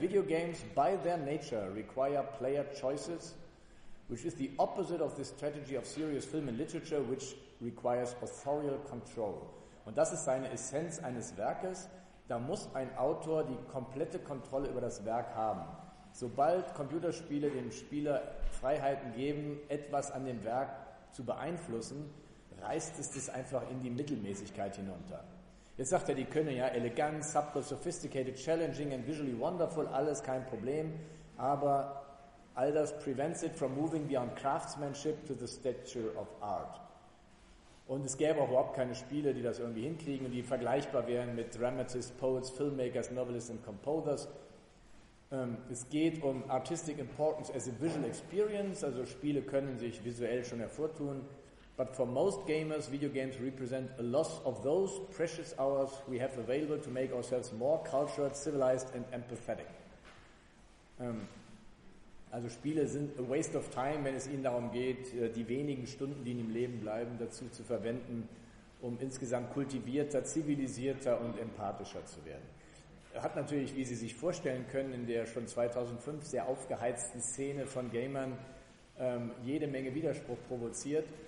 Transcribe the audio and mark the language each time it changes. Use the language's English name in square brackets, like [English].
[English] Video games, by their nature, require player choices, which is the opposite of the strategy of serious film and literature, which requires authorial control. [German] Und das ist seine Essenz eines Werkes. Da muss ein Autor die komplette Kontrolle über das Werk haben. Sobald Computerspiele dem Spieler Freiheiten geben, etwas an dem Werk zu beeinflussen, reißt es das einfach in die Mittelmäßigkeit hinunter. Jetzt sagt er, die können ja [English] elegant, subtle, sophisticated, challenging and visually wonderful, [German] alles kein Problem, aber all das [English] prevents it from moving beyond craftsmanship to the stature of art. [German] Und es gäbe auch überhaupt keine Spiele, die das irgendwie hinkriegen und die vergleichbar wären mit [English] Dramatists, Poets, Filmmakers, Novelists and Composers. [German] Es geht um [English] artistic importance as a visual experience, [German] also Spiele können sich visuell schon hervortun. [English] But for most gamers, video games represent a loss of those precious hours we have available to make ourselves more cultured, civilized and empathetic. [German] Also Spiele sind [English] a waste of time, [German] wenn es ihnen darum geht, die wenigen Stunden, die ihnen im Leben bleiben, dazu zu verwenden, um insgesamt kultivierter, zivilisierter und empathischer zu werden. Hat natürlich, wie Sie sich vorstellen können, in der schon 2005 sehr aufgeheizten Szene von Gamern jede Menge Widerspruch provoziert.